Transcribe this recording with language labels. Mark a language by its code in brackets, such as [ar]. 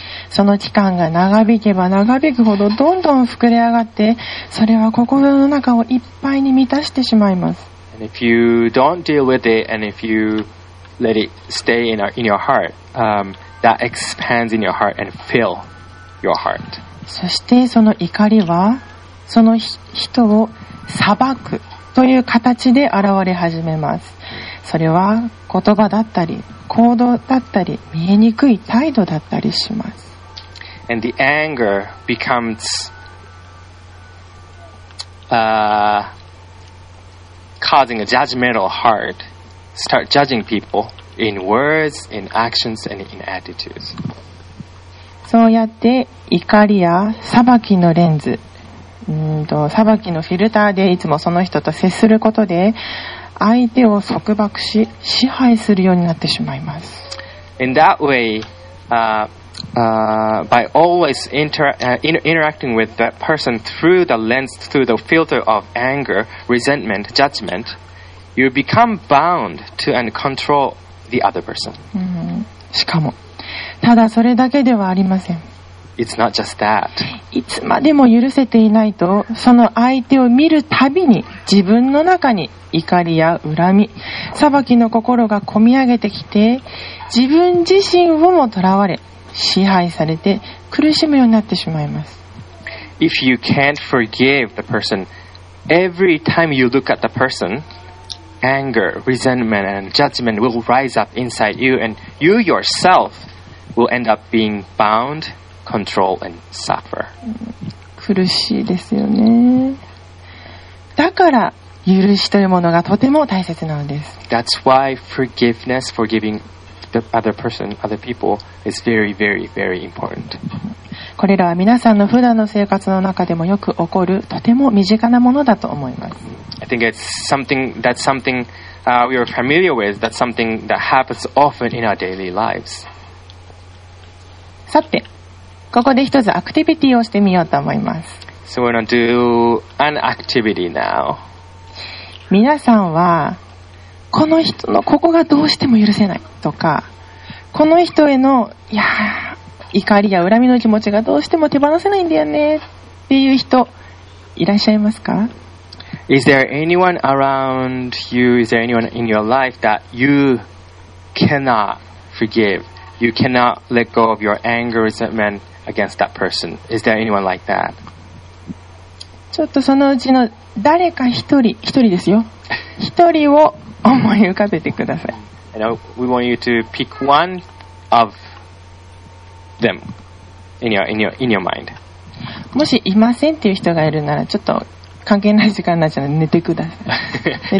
[ja] その期間が長引けば長引くほどどんどん膨れ上がって、それは心の中をいっぱいに満たしてしまいます。 [en] And if you don't deal with it and if you let it stay in your heart, that expands in your heart and fill your heart. [ja] そしてその怒りはその人を裁くという形で現れ始めます。それは言葉だったり行動だったり見えにくい態度だったりします。 [en] And the anger becomes causing a judgmental heart, start judging people in words, in actions, and in attitudes. [ja] そうやって怒りや裁きのレンズ、裁きのフィルターでいつもその人と接することで相手を束縛し支配するようになってしまいます。 [en] In that way, by always interacting with that person through the lens, through the filter of anger, resentment, judgment, you become bound to and control the other person. [ja] しかもただそれだけではありません。 [en] It's not just that. [ja] いつまでも許せていないと、その相手を見るたびに自分の中に怒りや恨み、裁きの心が込み上げてきて、自分自身をも囚われ、支配されて苦しむようになってしまいます。 [en] If you can't forgive the person, every time you look at the person, anger, resentment, and judgment will rise up inside you, and you yourself will end up being bound, controlled, and suffer. [ja] 苦しいですよね。だから許しというものがとても大切なのです。 [en] That's why forgiveness, forgiving the other person, other people, is very, very, very important. [ja] これらは皆さんの普段の生活の中でもよく起こるとても身近なものだと思います。 [en] I think it's something that's something we are familiar with. That's something that happens often in our daily lives. [ja] さて、ここで一つアクティビティをしてみようと思います。 [en] So we're gonna do an activity now. [ja] 皆さんはこの人のここがどうしても許せないとか、この人へのいや怒りや恨みの気持ちがどうしても手放せないんだよねっていう人いらっしゃいますか？ [en] Is there anyone around you? Is there anyone in your life that you cannot forgive? You cannot let go of your anger, resentment against that person? Is there anyone like that? [ja] ちょっとそのうちの誰か一人、一人ですよ。一人を思い浮かべてください。 [en] And we want you to pick one of them in your mind. [ja] もしいませんっていう人がいるなら、ちょっと関係ない時間になっちゃうので寝てください。